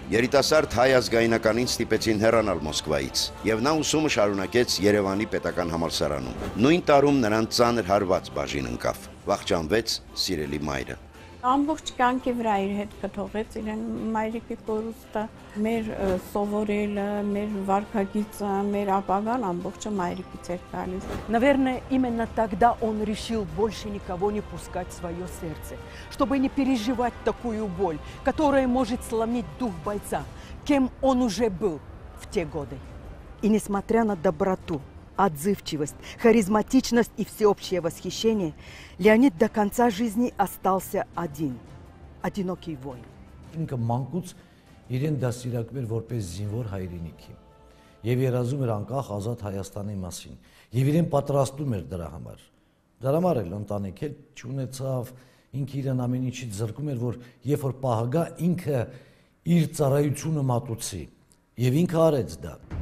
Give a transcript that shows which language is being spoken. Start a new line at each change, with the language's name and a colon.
Armenian: Երիտասարդ հայ ազգայնականին ստիպեցին հեռանալ Մոսկվայից, և նա ուսումը շարունակեց Երևանի պետական համալսարանում։ Նույն տարում նրան ծանր հարված բաժին ընկավ, վախճանվեց սիրելի մայրը։ Ամբողջ կյանքի վրա իր հետ կթողեց իրեն մայրիկի կորուստը, մեր սովորելը, մեր վարքագիծը, մեր ապագան ամբողջը մայրիկից էր տալիս։
Russian: Наверное, именно тогда он решил больше никого не пускать в своё сердце, чтобы не переживать такую боль, которая может сломить дух бойца, кем он уже был в те годы. И несмотря на доброту, отзывчивость, харизматичность и всеобщее восхищение, Леонид до конца жизни остался один, одинокий воин.
Armenian: Ինքը մանկուց իրեն դասերակվել որպես զինվոր հայրենիքի եւ երազում էր անկախ ազատ Հայաստանի մասին եւ իրեն պատրաստում էր դրա համար։ Դրա համար էլ ընտանիք էլ չունեցավ, ինքը իրեն ամեն ինչից զրկում էր, որ երբ որ պահագա ինքը իր ծառայությունը մատուցի, եւ ինքը արեց դա։